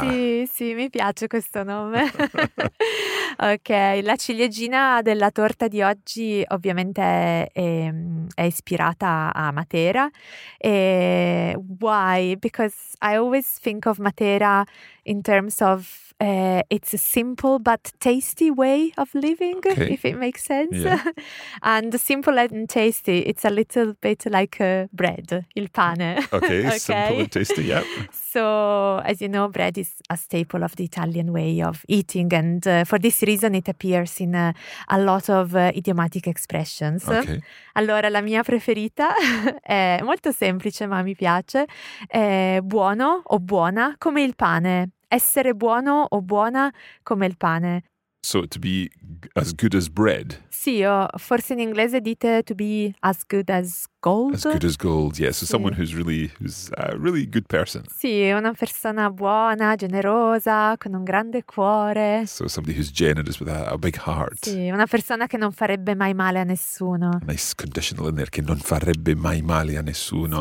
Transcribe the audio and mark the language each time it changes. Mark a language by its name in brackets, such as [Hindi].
[Italian] Sì, sì, mi piace questo nome. Okay, la ciliegina della torta di oggi ovviamente è ispirata a Matera. [English] E why? Because I always think of Matera in terms of it's a simple but tasty way of living, okay. if it makes sense. Yeah. And simple and tasty, it's a little bit like bread, [Italian] il pane. [English] Okay, okay, simple and tasty, yeah. So, as you know, bread is a staple of the Italian way of eating. And for this reason, it appears in a lot of idiomatic expressions. Okay. [Italian] Allora, la mia preferita è molto semplice, ma mi piace. È buono o buona come il pane. Essere buono o buona come il pane. [English] So to be as good as bread. [Italian] Sì, o forse in inglese dite [English] to be as good as gold. As good as gold, yes. So [Italian] sì. [English] Someone who's a really good person. [Italian] Sì, una persona buona, generosa, con un grande cuore. [English] So somebody who's generous with a big heart. [Italian] Sì, una persona che non farebbe mai male a nessuno. [English] A nice conditional in there, [Italian] che non farebbe mai male a nessuno.